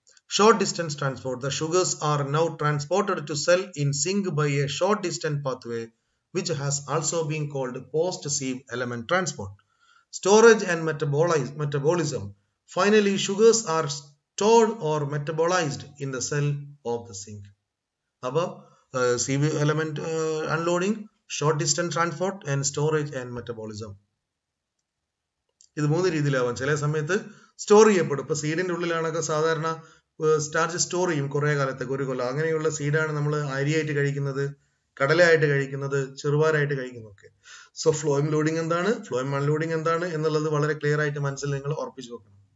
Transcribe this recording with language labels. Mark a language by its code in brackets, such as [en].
[en] Short distance transport. The sugars are now transported to cell in sink by a short distance pathway which has also been called post sieve element transport. Storage and metabolism. Finally sugars are stored or metabolized in the cell of the sink. Above, sieve element unloading, short distance transport and storage and metabolism. [ml] ഇത് മൂന്ന് രീതിയിലാവാം. ചില സമയത്ത് store ചെയ്യപ്പെടും. ഇപ്പൊ സീഡിന്റെ ഉള്ളിലാണൊക്കെ സാധാരണ starch store ചെയ്യും കുറെ കാലത്തേക്ക്, ഒരു കൊല്ലം. അങ്ങനെയുള്ള സീഡാണ് നമ്മൾ അരിയായിട്ട് കഴിക്കുന്നത്, കടലയായിട്ട് കഴിക്കുന്നത്, ചെറുപാരായിട്ട് കഴിക്കുന്നതൊക്കെ. സോ ഫ്ലോയിം ലോഡിംഗ് എന്താണ്, ഫ്ലോയിം അൺലോഡിംഗ് എന്താണ് എന്നുള്ളത് വളരെ ക്ലിയർ ആയിട്ട് മനസ്സിൽ നിങ്ങൾ ഉറപ്പിച്ചു വെക്കണം.